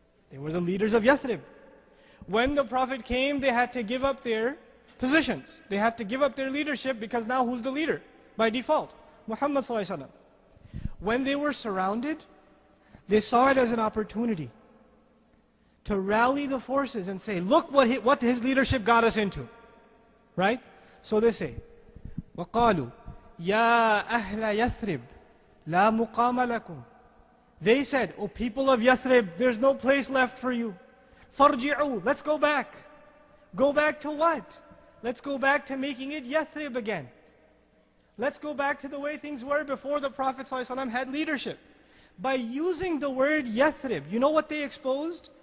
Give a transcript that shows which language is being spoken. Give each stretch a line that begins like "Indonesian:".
English: They were the leaders of Yathrib. When the Prophet came, they had to give up their positions. They had to give up their leadership, because now who's the leader? By default, Muhammad sallallahu alaihi wasallam. When they were surrounded, they saw it as an opportunity to rally the forces and say, look what his leadership got us into. Right? So they say,
Arabic: وَقَالُوا يَا أَهْلَ يَثْرِبْ لَا مُقَامَ لَكُمْ.
English: They said, O people of Yathrib, there's no place left for you.
Arabic: فَرْجِعُوا,
English: let's go back. Go back to what? Let's go back to making it Yathrib again. Let's go back to the way things were before the Prophet ﷺ had leadership. By using the word Yathrib, you know what they exposed?